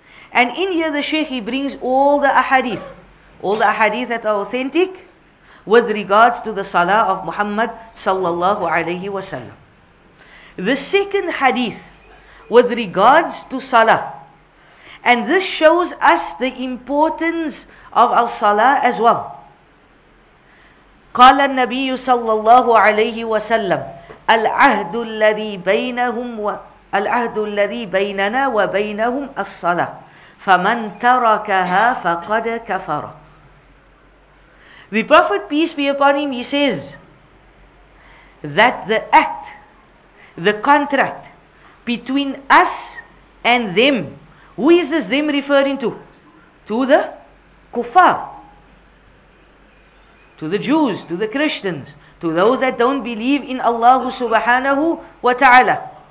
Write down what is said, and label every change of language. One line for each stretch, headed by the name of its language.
English: And in here the Shaykh, he brings all the ahadith that are authentic with regards to the Salah of Muhammad sallallahu alayhi wa sallam. The second hadith with regards to Salah, and this shows us the importance of our Salah as well.
Arabic: قال النبي صلى الله عليه وسلم العهد الذي بينهم والعهد الذي بيننا وبينهم الصلاة فمن تركها فقد كفر.
English: The Prophet peace be upon him, he says that the act, the contract between us and them, who is this them referring to? To the kuffar, to the Jews, to the Christians, to those that don't believe in Allah subhanahu wa ta'ala.